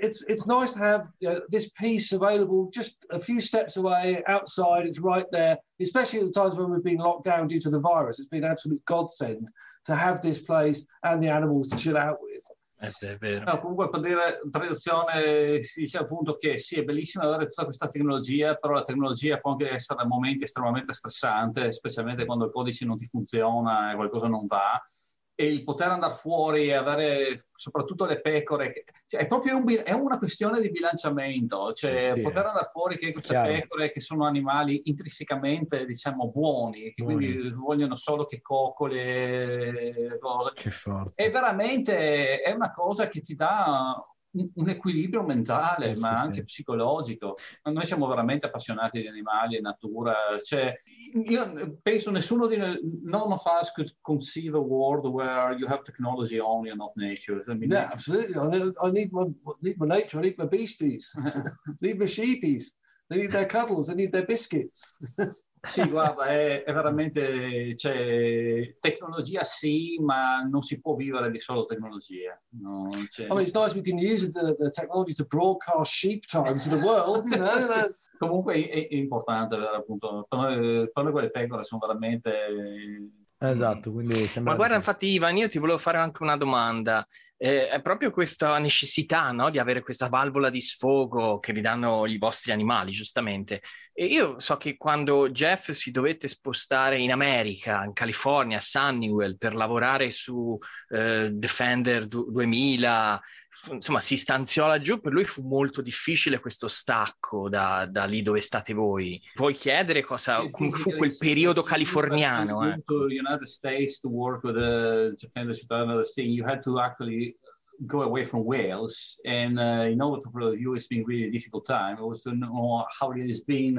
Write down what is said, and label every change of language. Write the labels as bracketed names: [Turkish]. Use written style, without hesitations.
[English] it's nice to have, you know, this peace available just a few steps away outside. It's right there, especially at the times when we've been locked down due to the virus. It's been an absolute godsend to have this place and the animals to chill out with. [Italian] È vero. No, comunque per dire, in traduzione si dice appunto che sì, è bellissimo avere tutta questa tecnologia, però la tecnologia può anche essere a momenti estremamente stressante, specialmente quando il codice non ti funziona e qualcosa non va, e il poter andare fuori e avere soprattutto le pecore, cioè, è proprio è una questione di bilanciamento, cioè sì, poter andare fuori che queste pecore, che sono animali intrinsecamente, diciamo, buoni. Che quindi vogliono solo che coccole, cose. Che forte. È veramente, è una cosa che ti dà un equilibrio mentale, ma anche psicologico. Noi siamo veramente appassionati di animali e natura. Cioè, io penso nessuno di noi, [English] none of us could conceive a world where you have technology only and not nature. I mean, yeah, absolutely. I need my nature, I need my beasties, I need my sheepies, they need their cuddles, I need their biscuits. [Italian] Sì, guarda, è veramente, cioè, tecnologia sì, ma non si può vivere di solo tecnologia. No, cioè... [English] I mean, it's nice we can use the technology to broadcast sheep time to the world, you know? [Italian] Comunque è importante, appunto, per noi quelle pecore sono veramente... Esatto, quindi sembra... Ma guarda, infatti, Ivan, io ti volevo fare anche una domanda. È proprio questa necessità, no, di avere questa valvola di sfogo che vi danno i vostri animali, giustamente. E io so che quando Jeff si dovette spostare in America, in California, a Sunnyvale, per lavorare su Defender 2000, insomma, si stanziò laggiù, per lui fu molto difficile questo stacco da lì dove state voi. Puoi chiedere cosa fu quel periodo californiano? [English] United States to work with the Defender 2000, you had to actually go away from Wales, and you know, for the US being really a difficult time, I was to know how it has been.